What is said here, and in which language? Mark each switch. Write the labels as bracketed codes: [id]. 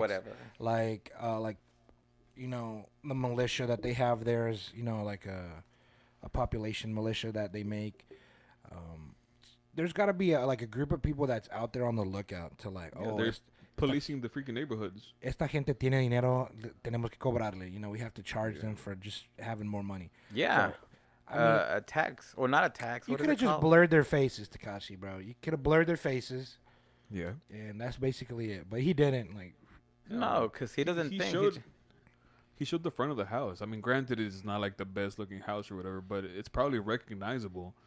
[en] whatever. Like, you know, the militia that they have there is, you know, like a population militia that they make. There's got to be a group of people that's out there on the lookout to like, policing the freaking neighborhoods. [es] Esta gente tiene dinero, tenemos que cobrarle. [en] You know, we have to charge them for just having more money. Yeah. So, I mean, a tax. Or not a tax. You could have just blurred their faces, Tekashi, bro. You could have blurred their faces. Yeah. And that's basically it. But he didn't, like. No, because he doesn't think. He showed the front of the house. I mean, granted, it's not like the best looking house or whatever, but it's probably recognizable.